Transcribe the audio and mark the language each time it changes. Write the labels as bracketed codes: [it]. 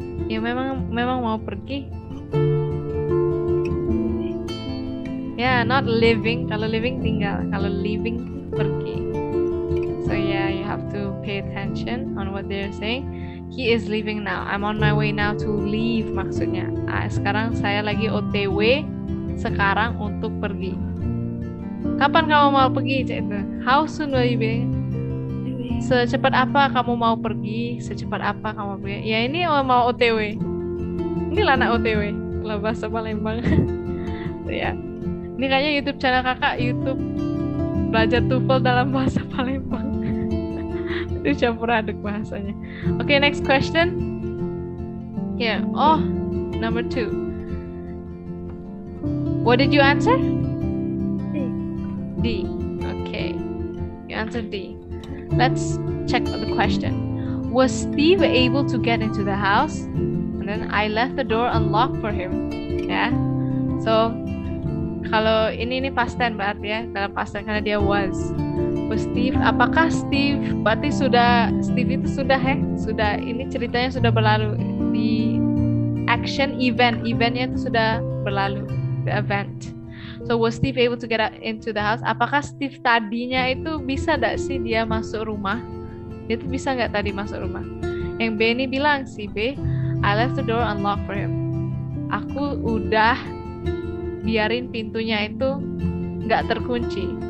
[id] Ya memang mau pergi. Ya, [en] yeah, not living. [id] Kalau living tinggal. Kalau leaving pergi. [en] So yeah, you have to pay attention on what they're saying. He is leaving now. I'm on my way now to leave. [id] Maksudnya, sekarang saya lagi OTW sekarang untuk pergi. Kapan kamu mau pergi? Cita? [en] How soon will you be? [id] Secepat apa kamu mau pergi? Secepat apa kamu pergi? Ya ini mau OTW. Ini lah nak OTW. Lah bahasa Palembang. So, ya. Yeah. Ini kayaknya YouTube channel kakak, YouTube belajar TOEFL dalam bahasa Palembang. Itu campur aduk bahasanya. [en] Okay, next question. Here, oh, number two. What did you answer? D. D, okay. You answered D. Let's check the question. Was Steve able to get into the house? And then I left the door unlocked for him. Yeah, so... [id] Kalau ini past tense berarti ya, dalam past tense karena dia was. Was Steve, apakah Steve, berarti sudah, Steve itu sudah ya, sudah, ini ceritanya sudah berlalu. [en] The action event, [id] eventnya itu sudah berlalu, [en] the event. So was Steve able to get into the house? [id] Apakah Steve tadinya itu bisa gak sih dia masuk rumah? Dia itu bisa gak tadi masuk rumah? Yang B ini bilang si B, [en] I left the door unlocked for him. [id] Aku udah... biarin pintunya itu nggak terkunci.